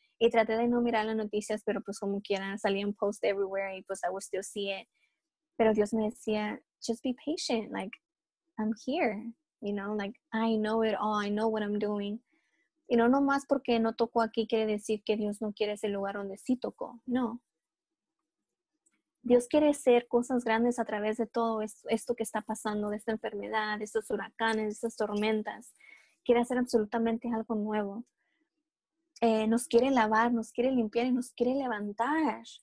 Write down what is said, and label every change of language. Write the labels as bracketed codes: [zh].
[es] Y traté de no mirar las noticias, pero pues como quiera, salían [en] posts everywhere [es] y pues [en] I would still see it. [es] Pero Dios me decía, [en] just be patient, like, I'm here, you know, like, I know it all, I know what I'm doing. [es] Y no nomás porque no tocó aquí quiere decir que Dios no quiere ese lugar donde sí tocó, no. Dios quiere hacer cosas grandes a través de todo esto que está pasando, de esta enfermedad, de estos huracanes, de estas tormentas. Quiere hacer absolutamente algo nuevo. Nos quiere lavar, nos quiere limpiar y nos quiere levantar.